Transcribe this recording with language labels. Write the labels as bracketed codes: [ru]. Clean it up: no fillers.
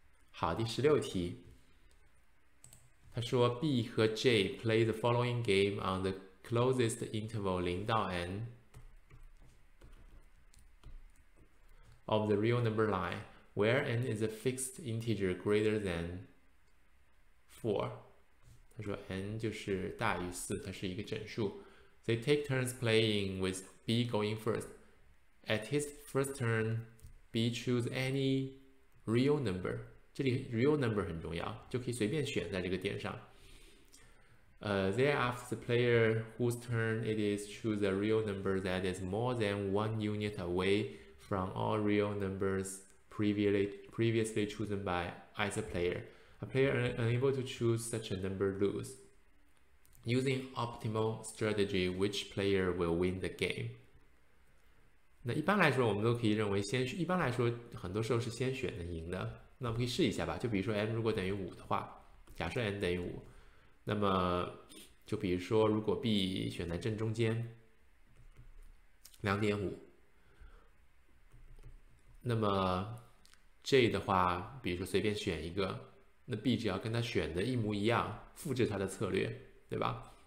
[zh] 好，第十六题。他说， [en] B 和 J play the following game on the closest interval 零到 n of the real number line, where n is a fixed integer greater than four。 [zh] 他说 n 就是大于四，它是一个整数。 [en] They take turns playing with B going first. At his first turn, B choose any real number。 [zh] 这里 real number 很重要，就可以随便选在这个点上。 [en] Thereafter, the player whose turn it is choose a real number that is more than one unit away from all real numbers previously chosen by either player. A player unable to choose such a number lose. Using optimal strategy, which player will win the game? [zh] 那一般来说，我们都可以认为先，一般来说，很多时候是先选的赢的。那我们可以试一下吧，就比如说 m 如果等于五的话，假设 n 等于五，那么就比如说如果 b 选在正中间，2.5，那么 j 的话，比如说随便选一个，那 b 只要跟它选的一模一样，复制它的策略，对吧？